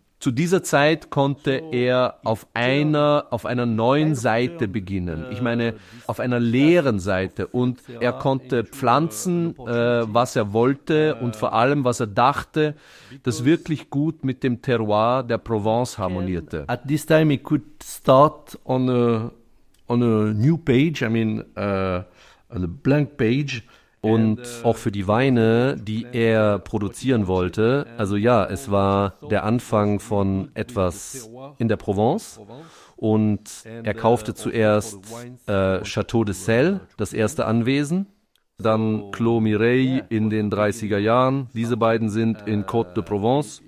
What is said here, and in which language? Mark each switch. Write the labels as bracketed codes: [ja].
[de] Zu dieser Zeit konnte er auf einer neuen Seite beginnen. Ich meine, auf einer leeren Seite. Und er konnte pflanzen, was er wollte und vor allem, was er dachte, das wirklich gut mit dem Terroir der Provence harmonierte. [en] At this time he could start on a new page, I mean, on a blank page. [de] Und auch für die Weine, die er produzieren wollte. Also ja, es war der Anfang von etwas in der Provence. Und er kaufte zuerst Château de Sel, das erste Anwesen. Dann Claude Mireille in den 30er Jahren. Diese beiden sind in Côte de Provence.